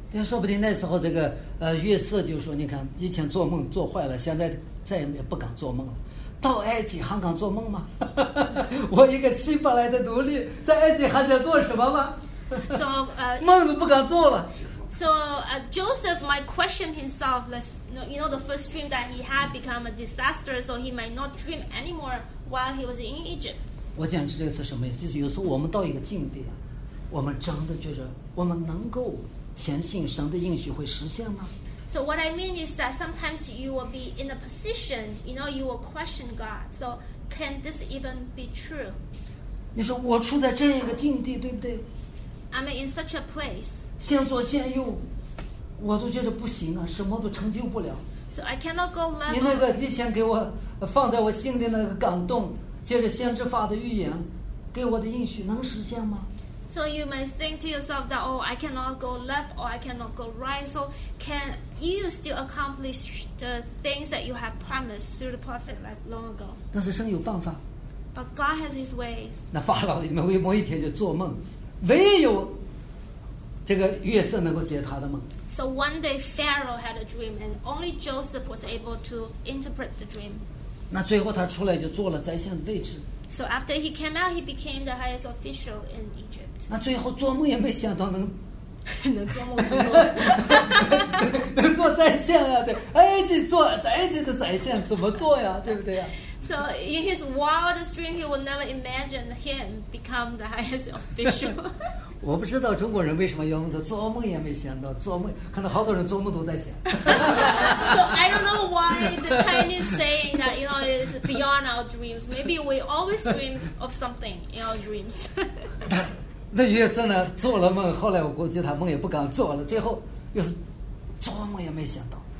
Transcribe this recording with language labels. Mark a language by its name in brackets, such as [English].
[Chinese] 但说不定那时候这个约瑟就说，你看以前做梦做坏了，现在再也不敢做梦了。到埃及还敢做梦吗？我一个希伯来的奴隶，在埃及还想做什么吗？ [English] So, [Chinese] 梦都不敢做了。 [English] So, Joseph might question himself. You know, the first dream that he had become a disaster, so he might not dream anymore while he was in Egypt. [Chinese] 我讲这个是什么意思？就是有时候我们到一个境地啊，我们真的就是我们能够相信神的应许会实现吗？ [English] So what I mean is that sometimes you will be in a position, you know, you will question God. So can this even be true? [Chinese] 你说我处在这样一个境地，对不对？ [English] I'm in such a place. [Chinese] 现左现右，我都觉得不行啊，什么都成就不了。 [English] So I cannot go level. [Chinese] 你那个以前给我放在我心里那个感动，接着先知发的预言，给我的应许能实现吗？ [English] So you might think to yourself that, oh, I cannot go left or I cannot go right. So can you still accomplish the things that you have promised through the prophet like long ago? [Chinese] 但是神有办法。 [English] But God has His ways. [Chinese] 那法老某一天就做梦，唯有这个约瑟能够解他的梦。 [English] So one day Pharaoh had a dream, and only Joseph was able to interpret the dream. [Chinese] 那最后他出来就做了宰相的位置。 [English] So after he came out, he became the highest official in Egypt. [Chinese] 那最后做梦也没想到能能做梦成功，能做宰相啊？对，埃及做埃及的宰相怎么做呀？对不对呀 [English] ？So in his wildest dream, he would never imagine him become the highest official. [Chinese] 我不知道中国人为什么要做梦也没想到，做梦可能好多人做梦都在想。 [English] So I don't know why the Chinese saying that, you know, is beyond our dreams. Maybe we always dream of something in our dreams. [Chinese] 那约瑟呢？做了梦，后来我估计他梦也不敢做了，最后又是做梦也没想到。